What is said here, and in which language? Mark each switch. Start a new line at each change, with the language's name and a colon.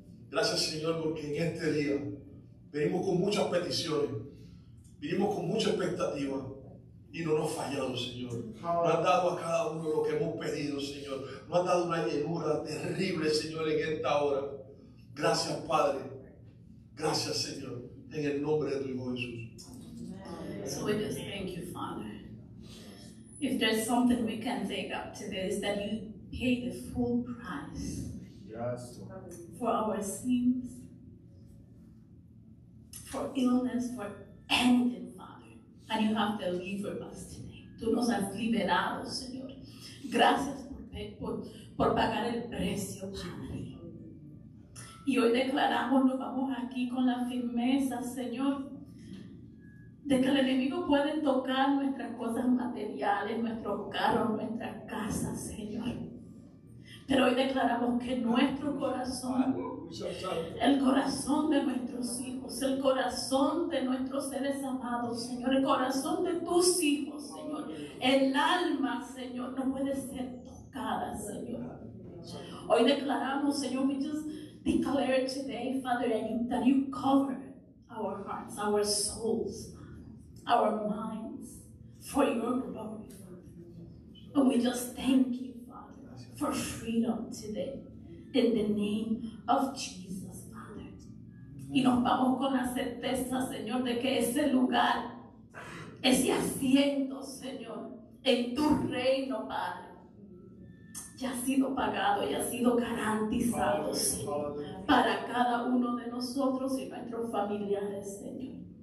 Spanish: Gracias, Señor, porque en este día venimos con muchas peticiones, venimos con mucha expectativa y no nos ha fallado, Señor. No ha dado a cada uno lo que hemos pedido, Señor. No ha dado una llenura terrible, Señor, en esta hora. Gracias, Padre. Gracias, Señor, en el nombre de tu Hijo Jesús.
English: So we just thank you, Father. If there's something we can take up today, is that you pay the full price for our sins, for illness, for anything, Father. And you have delivered us today.
Spanish: Tú nos has liberado, Señor. Gracias por pagar el precio, Padre. Y hoy declaramos, nos vamos aquí con la firmeza, Señor, de que el enemigo puede tocar nuestras cosas materiales, nuestros carros, nuestras casas, Señor. Pero hoy declaramos que nuestro corazón, el corazón de nuestros hijos, el corazón de nuestros seres amados, Señor, el corazón de tus hijos, Señor, el alma, Señor, no puede ser tocada, Señor. Hoy declaramos, Señor,
English: we just declare today, Father, that you cover our hearts, our souls, our minds for your glory. And we just thank you, Father, for freedom today in the name of Jesus, Father.
Spanish: Y nos vamos con la certeza, Señor, de que ese lugar, ese asiento, Señor, en tu reino, Padre, ya ha sido pagado, ya ha sido garantizado, Señor, para cada uno de nosotros y nuestros familiares, Señor.